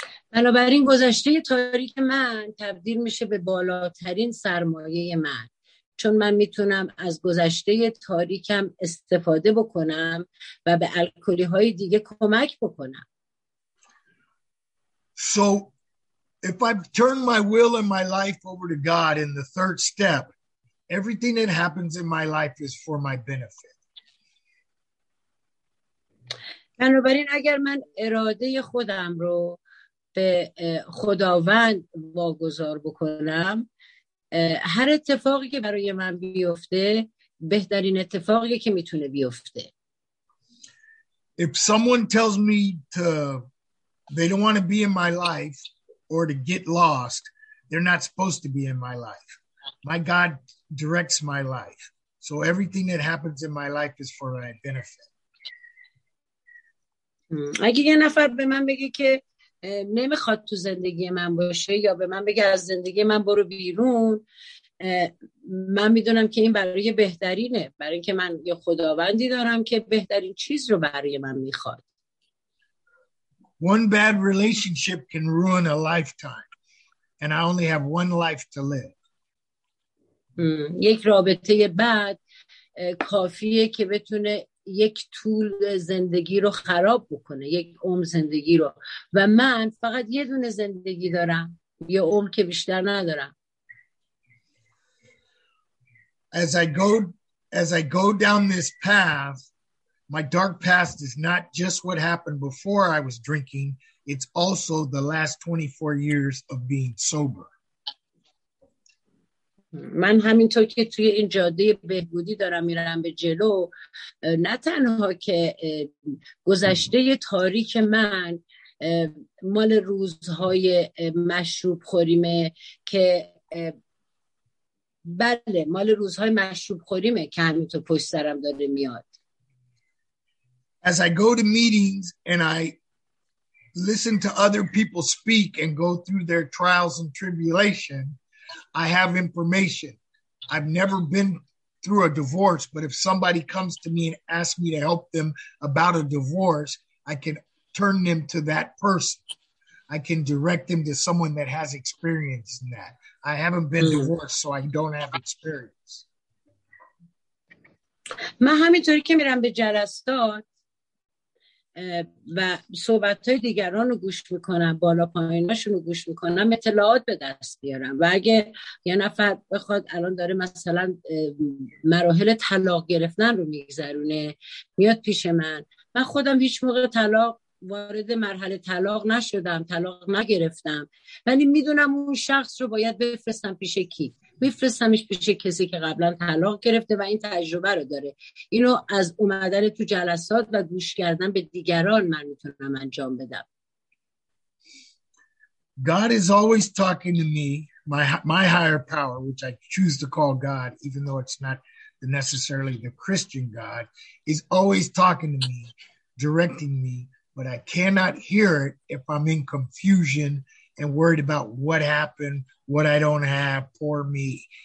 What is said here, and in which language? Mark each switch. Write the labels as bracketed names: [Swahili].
[Persian] بنابراین گذشته تاریک من تبدیل میشه به بالاترین سرمایه من، چون من میتونم از گذشته تاریکم استفاده بکنم و به الکلی های دیگه کمک بکنم. [English] So if I turn my will and my life over to God in the third step, everything that happens in my life is for my benefit. [Persian] بنابراین اگر من اراده خودم رو به خداوند واگذار بکنم، هر اتفاقی که برای من بیفته بهترین اتفاقی که میتونه بیفته. [English] If someone tells me to, they don't want to be in my life or to get lost, they're not supposed to be in my life. My God directs my life. So everything that happens in my life is for my benefit. [Persian] اگه یه نفر به من بگه که نمیخواد تو زندگی من باشه یا به من بگه از زندگی من برو بیرون، من میدونم که این برای بهترینه، برای اینکه من یه خداوندی دارم که بهترین چیز رو برای من میخواد. [English] One bad relationship can ruin a lifetime and I only have one life to live. [Persian] یک رابطه بد کافیه که بتونه یک طول زندگی رو خراب بکنه، یک عمر زندگی رو، و من فقط یه دونه زندگی دارم، یه عمر که بیشتر ندارم. [English] As I go down this path, my dark past is not just what happened before I was drinking, it's also the last 24 years of being sober. [Persian] من همینطور که توی این جاده بهبودی دارم میرم به جلو، نه تنها که گذشته تاریک من مال روزهای مشروب خوریمه که بله مال روزهای مشروب خوریمه که همینطور پشت سرم داره میاد. [English] As I go to meetings and I listen to other people speak and go through their trials and tribulation, I have information. I've never been through a divorce, but if somebody comes to me and asks me to help them about a divorce, I can turn them to that person. I can direct them to someone that has experience in that. I haven't been divorced, so I don't have experience. [Persian] من همینطوری که میرم به جلسات و صحبت‌های دیگران رو گوش میکنم، بالا پایین‌هاشون رو گوش میکنم، اطلاعات به دست بیارم، و اگه یه نفر بخواد الان داره مثلا مراحل طلاق گرفتن رو میگذرونه میاد پیش من، من خودم هیچ موقع طلاق وارد مرحله طلاق نشدم، طلاق نگرفتم، ولی میدونم اون شخص رو باید بفرستم پیش کی، میفرستمش پیش کسی که قبلا طلاق گرفته و این تجربه رو داره. اینو از اومدن تو جلسات و گوش کردن به دیگران من میتونم انجام بدم. [English] God is always talking to me, my higher power, which I choose to call God, even though it's not necessarily the Christian God, is always talking to me, directing me, but I cannot hear it if I'm in confusion and worried about what happened, what I don't have, poor me.